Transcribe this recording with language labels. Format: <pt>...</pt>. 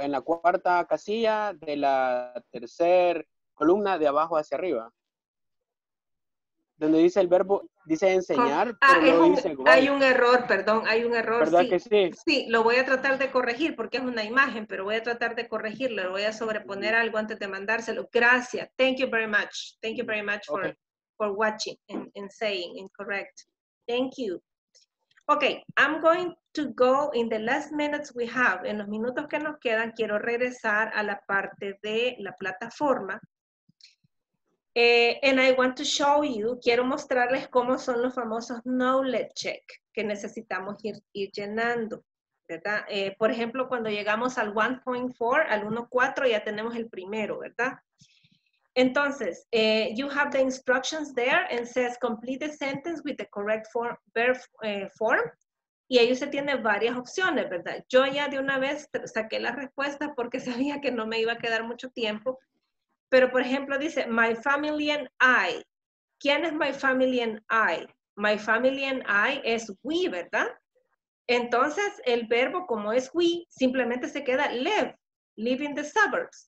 <es>En la cuarta casilla de la tercera columna de abajo hacia arriba. Donde dice el verbo, dice enseñar, pero no dice igual. Hay un error, perdón, hay un error. ¿Verdad que sí? Sí, lo voy a tratar de corregir porque es una imagen, pero voy a tratar de corregirlo. Voy a sobreponer algo antes de mandárselo. Gracias.</es> <en>Thank you very much. Thank you very much for, okay, for watching and saying incorrect. Thank you. Okay, I'm going to go in the last minutes we have.</en> <es>En los minutos que nos quedan, quiero regresar a la parte de la plataforma.</es> <en>And I want to show you,</en> <es>quiero mostrarles cómo son los famosos knowledge check que necesitamos ir llenando, ¿verdad? Por ejemplo, cuando llegamos al 1.4, al 1.4 ya tenemos el primero, ¿verdad?</es> <en>Entonces, you have the instructions there and says complete the sentence with the correct form, verb form.</en> <es>Y ahí usted tiene varias opciones, ¿verdad? Yo ya de una vez saqué la respuesta porque sabía que no me iba a quedar mucho tiempo. Pero, por ejemplo, dice,</es> <en>my family and I. ¿Quién es my family and I? My family and I</en> <es>es we, ¿verdad? Entonces, el verbo, como es we, simplemente se queda</es> <en>live, live in the suburbs.</en>